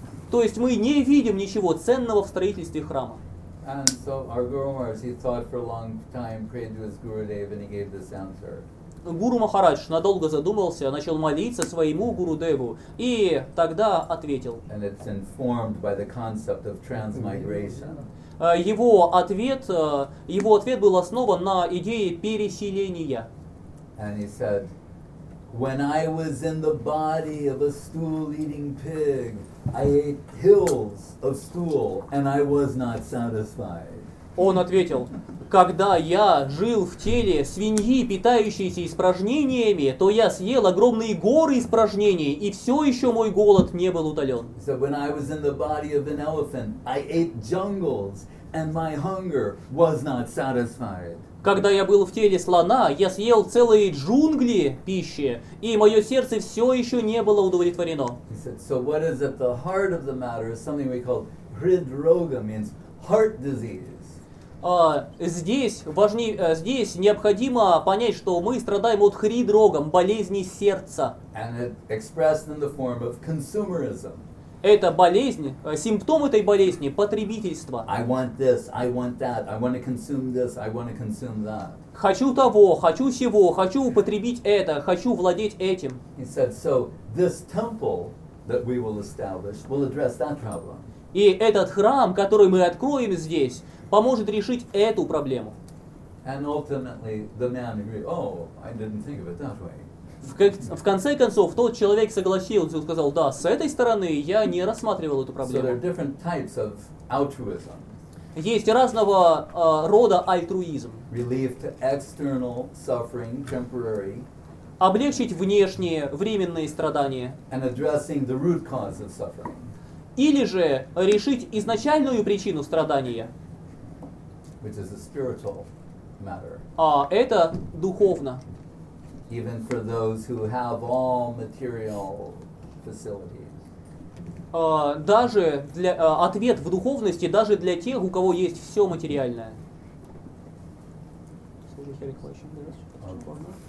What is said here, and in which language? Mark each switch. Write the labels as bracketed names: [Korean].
[Russian] То есть мы не видим ничего ценного в строительстве храма. [English] And so our Guru Maharaj, he thought for a long time, prayed to his Gurudev, and he gave this answer. [Russian] Гуру Махарадж надолго задумался, начал молиться своему Гурудеву, и тогда ответил. [English] And it's informed by the concept of transmigration. [Russian] Его ответ был основан на идее переселения. [English] And he said, when I was in the body of a stool-eating pig, I ate hills of stool, and I was not satisfied. [Russian] Он ответил, когда я жил в теле свиньи, питающейся испражнениями, то я съел огромные горы испражнений, и все еще мой голод не был утолен. [English] So when I was in the body of an elephant, I ate jungles, and my hunger was not satisfied. [Russian] Когда я был в теле слона, я съел целые джунгли пищи, и мое сердце все еще не было удовлетворено. [English] He said, so what is at the heart of the matter is something we call hridroga, means heart disease. [Russian] Здесь необходимо понять, что мы страдаем от хридрогом, болезни сердца. [English] And it expressed in the form of consumerism. [Russian] Это болезнь, симптом этой болезни – потребительство. [English] I want this, I want that, I want to consume this, I want to consume that. [Russian] Хочу того, хочу сего, хочу употребить это, хочу владеть этим. [English] He said, so this temple that we will establish will address that problem. [Russian] И этот храм, который мы откроем здесь, поможет решить эту проблему. [English] And ultimately the man agreed, oh, I didn't think of it that way. [Russian] В конце концов, тот человек согласился и сказал, да, с этой стороны я не рассматривал эту проблему. [English] So there are different types of altruism. [Russian] Есть разного рода альтруизм. [English] Relief to external suffering, temporary. [Russian] Облегчить внешние, временные страдания. [English] And addressing the root cause of suffering. [Russian] Или же решить изначальную причину страдания. [English] Which is a spiritual matter. [Russian] Это духовно. [English] Even for those who have all material facilities. [Russian] Ответ в духовности даже для тех, у кого есть все материальное. Служи Хари Клачин,